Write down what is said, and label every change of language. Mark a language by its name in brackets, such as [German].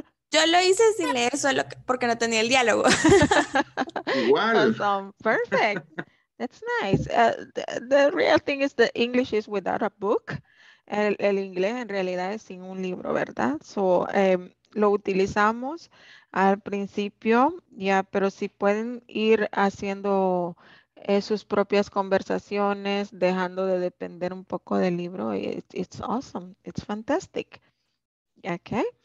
[Spanish] Yo lo hice sin leer solo porque no tenía el diálogo. Igual. [English] Awesome. Perfect. That's nice. The real thing is the English is without a book. [Spanish] El inglés en realidad es sin un libro, ¿verdad? So, lo utilizamos al principio, ya, pero si pueden ir haciendo sus propias conversaciones, dejando de depender un poco del libro, [English] it's awesome. It's fantastic. [Spanish] Okay.